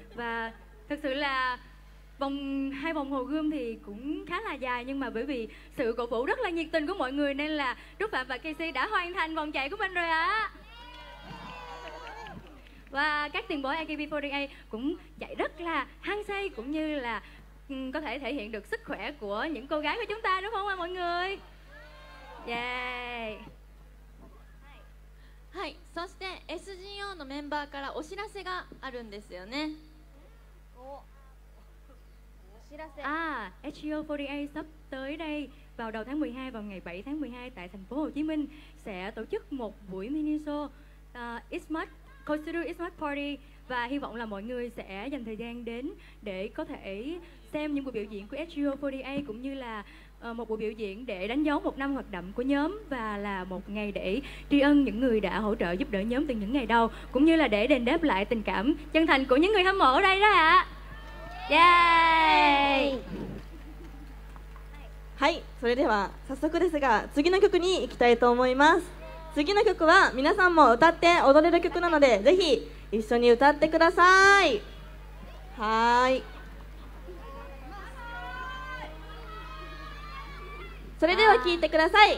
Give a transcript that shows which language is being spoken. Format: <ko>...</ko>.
<vi>Và thực sự là hai vòng Hồ Gươm thì cũng khá là dài, nhưng mà bởi vì sự cổ vũ rất là nhiệt tình của mọi người nên là Trúc Phạm và Casey đã hoàn thành vòng chạy của mình rồi ạ. Và các tiền bối AKB48 cũng chạy rất là hăng say, cũng như là có thể thể hiện được sức khỏe của những cô gái của chúng ta, đúng không ạ mọi người?</vi> <en>Yeah.</en> <ja>はい、そして SGO のメンバーからお知らせがあるんですよね。お知らせ。</ja> <vi>あ、SGO48 sắp tới đây vào đầu tháng 12 vào ngày 7 tháng 12 tại thành phố Hồ Chí Minh sẽ tổ chức một buổi mini show Ismart Kosuru Ismart Party, và hy vọng là mọi người sẽ dành thời gian đến để có thể xem những buổi biểu diễn của SGO48 cũng như là một buổi biểu diễn để đánh dấu một năm hoạt động của nhóm, và là một ngày để tri ân những người đã hỗ trợ giúp đỡ nhóm từ những ngày đầu, cũng như là để đền đáp lại tình cảm chân thành của những người hâm mộ ở đây đó ạ.</vi> <en>Yay!</en> <ja>はい、それでは早速ですが次の曲に行きたいと思います。次の曲は皆さんも歌って踊れる曲なので、ぜひ一緒に歌ってください。はい、それでは聞いてください。</ja>